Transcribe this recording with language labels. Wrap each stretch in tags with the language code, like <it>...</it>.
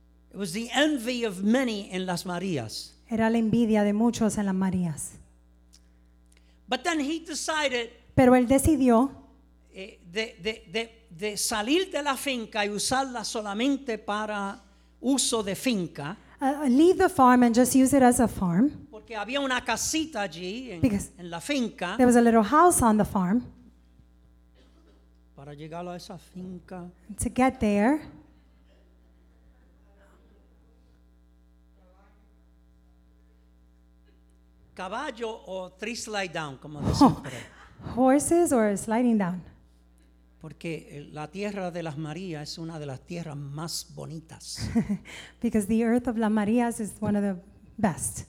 <en>It was the envy of many in Las Marías.</en> <es>Era la envidia de muchos en Las Marías.</es> <en>But then he decided.</en> <es>Pero él decidió de salir de la finca y usarla solamente para uso de finca.</es> <en>Leave the farm and just use it as a farm.</en> <es>Porque había una casita allí en la finca.</es> <en>There was a little house on the farm.</en> <es>Para llegar a esa finca.</es> <en>To get there.</en> <es>Caballo o</es> <en>three slide down,</en> <es>como decimos.</es> <en>Horses or sliding down.</en> <es>Porque la tierra de Las Marías es una de las tierras más bonitas.</es> <en>Because the earth of Las Marías is one of the best.</en>